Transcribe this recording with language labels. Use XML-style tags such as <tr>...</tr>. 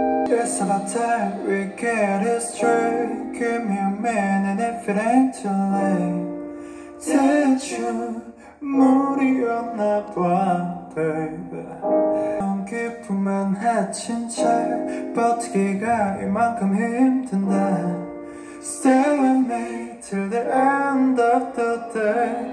<en>It's about time we get it straight. Give me a minute if it ain't too late.</en> <ko>대충 무리였나 봐, baby. 넌 기쁨만 해친 채 버티기가 이만큼 힘든데.</ko> <en>Stay with me till the end of the day.</en>